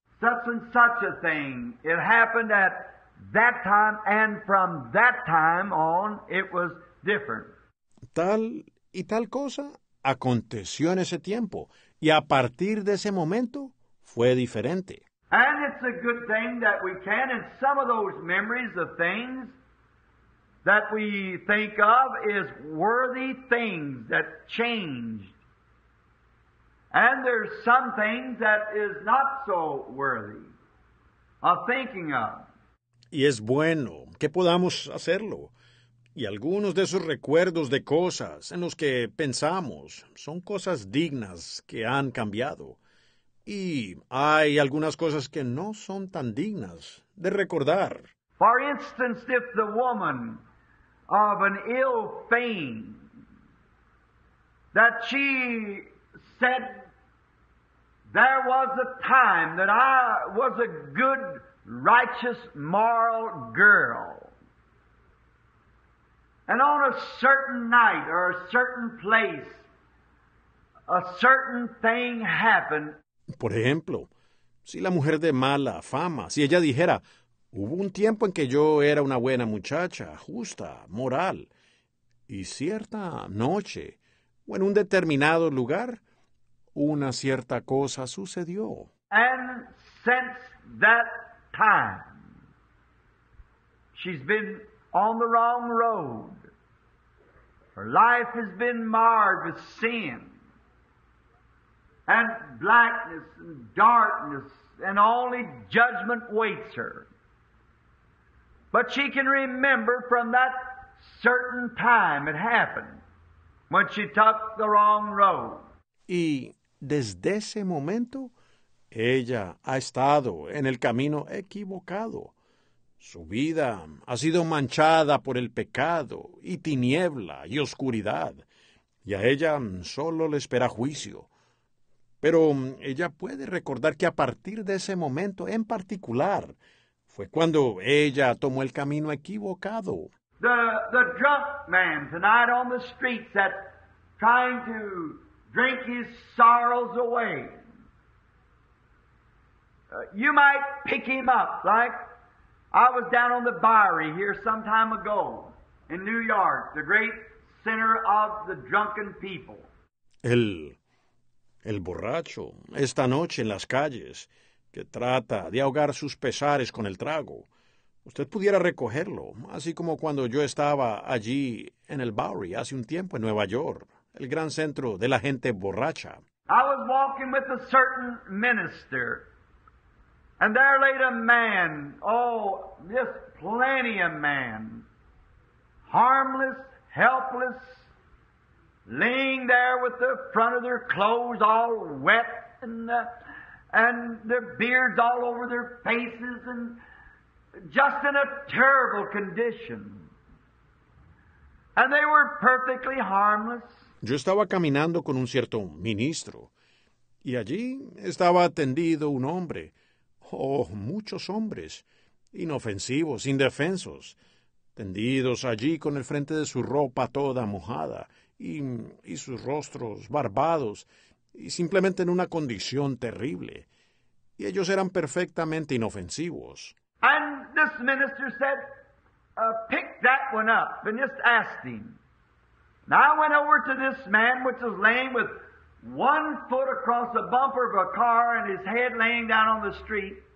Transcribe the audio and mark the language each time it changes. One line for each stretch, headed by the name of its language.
English: Such and such a thing. It happened at that time, and from that time on, it was different.
Spanish: Tal y tal cosa aconteció en ese tiempo, y a partir de ese momento fue diferente.
English: And it's a good thing that we can, and some of those memories of things that we think of is worthy things that changed. And there's some things that is not so worthy of thinking of.
Spanish: Y es bueno que podamos hacerlo. Y algunos de esos recuerdos de cosas en los que pensamos son cosas dignas que han cambiado. Y hay algunas cosas que no son tan dignas de recordar.
English: For instance, if the woman of an ill fame that she said, there was a time that I was a good, righteous, moral girl. And on a certain night or a certain place, a certain thing happened.
Spanish: Por ejemplo, si la mujer de mala fama, si ella dijera, hubo un tiempo en que yo era una buena muchacha, justa, moral, y cierta noche, o en un determinado lugar, una cierta cosa sucedió.
English: And since that time, she's been on the wrong road. Her life has been marred with sin and blackness and darkness, and only judgment waits her. But she can remember from that certain time it happened when she took the wrong road.
Spanish: Y desde ese momento, ella ha estado en el camino equivocado. Su vida ha sido manchada por el pecado y tiniebla y oscuridad, y a ella solo le espera juicio. Pero ella puede recordar que a partir de ese momento en particular fue cuando ella tomó el camino equivocado.
English: The drunk man tonight on the streets that trying to drink his sorrows away. You might pick him up, like I was down on the Bowery here some time ago in New York, the great center of the drunken people.
Spanish: El borracho, esta noche en las calles, que trata de ahogar sus pesares con el trago. Usted pudiera recogerlo, así como cuando yo estaba allí en el Bowery hace un tiempo en Nueva York, el gran centro de la gente borracha.
English: I was walking with a certain minister, and there laid a man, oh, just plenty of man, harmless, helpless, laying there with the front of their clothes all wet and their beards all over their faces and just in a terrible condition. And they were perfectly harmless.
Spanish: Yo estaba caminando con un cierto ministro y allí estaba atendido un hombre. Oh, muchos hombres, inofensivos, indefensos, tendidos allí con el frente de su ropa toda mojada y sus rostros barbados y simplemente en una condición terrible. Y ellos eran perfectamente inofensivos.
English: And this minister said, pick that one up, and just asked him. And I went over to this man, which was laying with one foot across the bumper of a car and his head laying down on the street.